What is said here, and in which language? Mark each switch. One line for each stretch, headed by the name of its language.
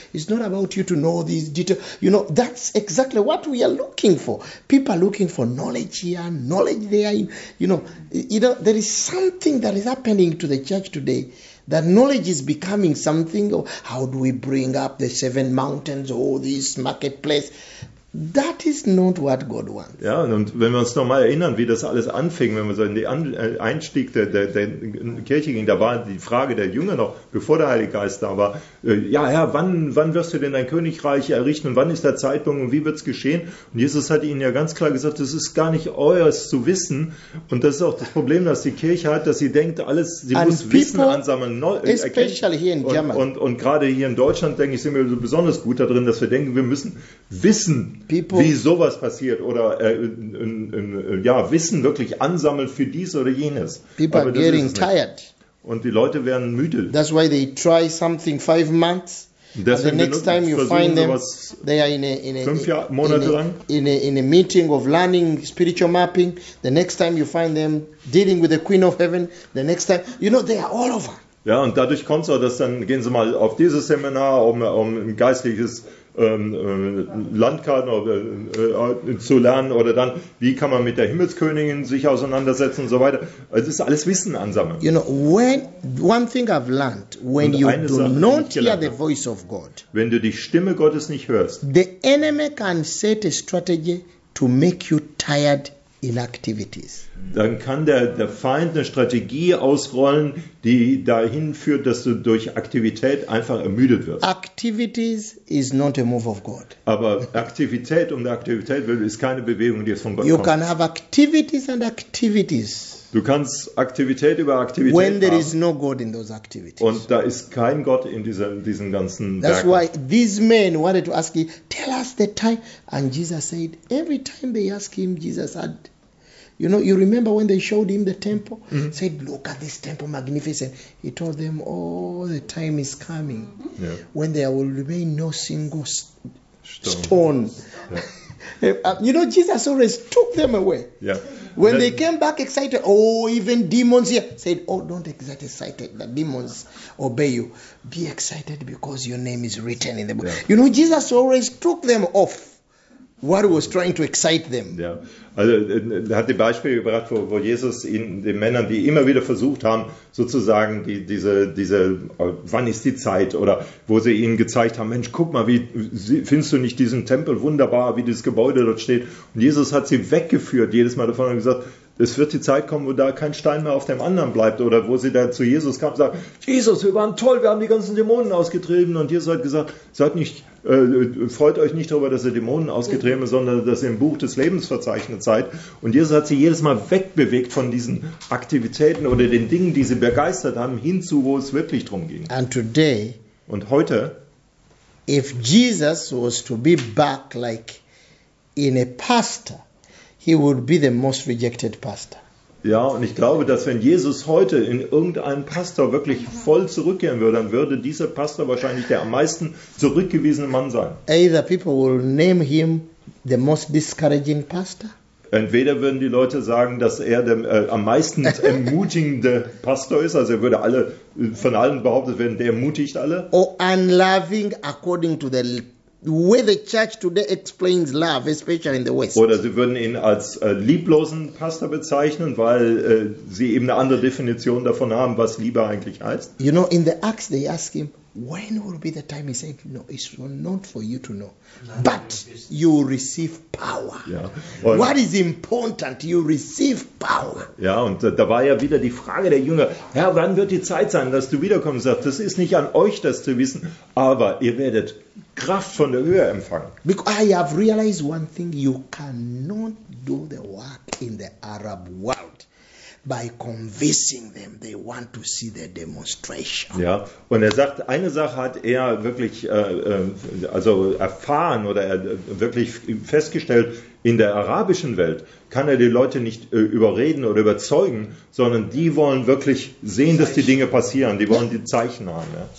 English: It's not about you to know these details. You know, that's exactly what we are looking for. People are looking for knowledge here, knowledge there. You know, there is something that is happening to the church today. That knowledge is becoming something. Or how do we bring up the seven mountains, all this marketplace? That is not what God wants.
German: Ja, und wenn wir uns nochmal erinnern, wie das alles anfing, wenn wir so in den Einstieg der Kirche gingen, da war die Frage der Jünger noch, bevor der Heilige Geist da war, ja, Herr, wann wirst du denn dein Königreich errichten und wann ist der Zeitpunkt und wie wird es geschehen? Und Jesus hat ihnen ja ganz klar gesagt, das ist gar nicht eures zu wissen. Und das ist auch das Problem, das die Kirche hat, dass sie denkt, alles, sie
English: and
German: muss
English: people,
German: Wissen ansammeln.
English: Especially here in Germany.
German: Und gerade hier in Deutschland, denke ich, sind wir so besonders gut darin, dass wir denken, wir müssen Wissen
English: People,
German: wie sowas passiert oder Wissen wirklich ansammeln für dies oder jenes.
English: People are getting tired.
German: Und die Leute werden müde.
English: That's why they try something 5 months.
German: Deswegen
English: the next time you find them, they are in a meeting of learning spiritual mapping. The next time you find them dealing with the Queen of Heaven. The next time, you know, they are all over.
German: Ja, und dadurch kommt es auch, dass dann gehen sie mal auf dieses Seminar, um ein geistliches Landkarten zu lernen oder dann, wie kann man mit der Himmelskönigin sich auseinandersetzen und so weiter. Also es ist alles Wissen ansammeln.
English: You know, one thing I've learned, when you do not hear the voice of God,
German: wenn du die Stimme Gottes nicht hörst,
English: the enemy can set a strategy to make you tired in activities.
German: Dann kann der Feind eine Strategie ausrollen, die dahin führt, dass du durch Aktivität einfach ermüdet wirst.
English: Activities is not a move of God.
German: Aber Aktivität um der Aktivität will, ist keine Bewegung, die es von Gott
English: you
German: kommt.
English: You can have activities and activities.
German: Du kannst Aktivität über Aktivität
English: when there
German: haben.
English: Is no God in those activities.
German: Und da ist kein Gott in diesen ganzen
English: That's
German: Werken.
English: Why these men wanted to ask him, tell us the time. And Jesus said, every time they ask him, Jesus had You know, you remember when they showed him the temple? Mm-hmm. Said, look at this temple, magnificent. He told them, oh, the time is coming yeah. when there will remain no single stone. Yeah. You know, Jesus always took them away. Yeah. When they came back excited, oh, even demons here. Said, oh, don't get excited. The demons obey you. Be excited because your name is written in the book. Yeah. You know, Jesus always took them off. What was trying to excite them.
German: Ja, also er hat die Beispiele gebracht, wo Jesus ihn, den Männern, die immer wieder versucht haben, sozusagen diese wann ist die Zeit, oder wo sie ihnen gezeigt haben, Mensch, guck mal, findest du nicht diesen Tempel wunderbar, wie dieses Gebäude dort steht? Und Jesus hat sie weggeführt, jedes Mal davon und gesagt, Es wird die Zeit kommen, wo da kein Stein mehr auf dem anderen bleibt. Oder wo sie dann zu Jesus kam und sagt, Jesus, wir waren toll, wir haben die ganzen Dämonen ausgetrieben. Und Jesus hat gesagt, freut euch nicht darüber, dass ihr Dämonen ausgetrieben habt, sondern dass ihr im Buch des Lebens verzeichnet seid. Und Jesus hat sie jedes Mal wegbewegt von diesen Aktivitäten oder den Dingen, die sie begeistert haben, hin zu, wo es wirklich drum ging.
English: And today,
German: und heute,
English: if Jesus was to be back like in a pastor, he would be the most rejected pastor.
German: Ja, und ich glaube, dass wenn Jesus heute in irgendeinen Pastor wirklich voll zurückkehren würde, dann würde dieser Pastor wahrscheinlich der am meisten zurückgewiesene Mann sein.
English: Either people will name him the most discouraging pastor.
German: Entweder würden die Leute sagen, dass er der am meisten ermutigende Pastor ist, also er würde alle von allen behauptet werden, der ermutigt alle.
English: Or unloving according to the way the church today explains love, especially in the West.
German: Oder sie würden ihn als lieblosen Pastor bezeichnen, weil sie eben eine andere Definition davon haben, was Liebe eigentlich heißt.
English: You know, in the Acts they ask him, when will be the time? He said, no, it's not for you to know. But you receive power.
German: Ja.
English: What is important? You receive power.
German: Ja, und da war ja wieder die Frage der Jünger. Herr, wann wird die Zeit sein, dass du wiederkommst? Sagt, das ist nicht an euch, das zu wissen, aber ihr werdet Kraft von der Höhe empfangen.
English: Because I have realized one thing, you cannot do the work in the Arab world by convincing them they want to see the demonstration.
German: Ja, und er sagt, eine Sache hat er wirklich also erfahren oder er wirklich festgestellt, in der arabischen Welt kann er die Leute nicht überreden oder überzeugen, sondern die wollen wirklich sehen, dass die Dinge passieren, die wollen die Zeichen haben, ja.